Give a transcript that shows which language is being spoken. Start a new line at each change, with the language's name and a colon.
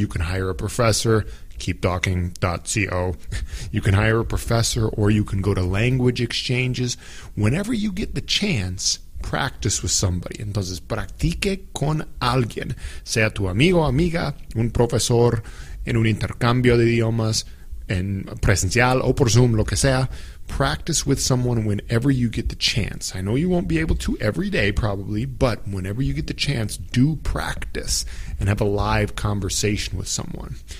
English: You can hire a professor, keeptalking.co. You can hire a professor, or you can go to language exchanges. Whenever you get the chance, practice with somebody.
Spanish: Entonces, practique con alguien, sea tu amigo, amiga, un profesor, en un intercambio de idiomas, en presencial o por Zoom, lo que sea.
English: Practice with someone whenever you get the chance. I know you won't be able to every day, probably, but whenever you get the chance, do practice and have a live conversation with someone.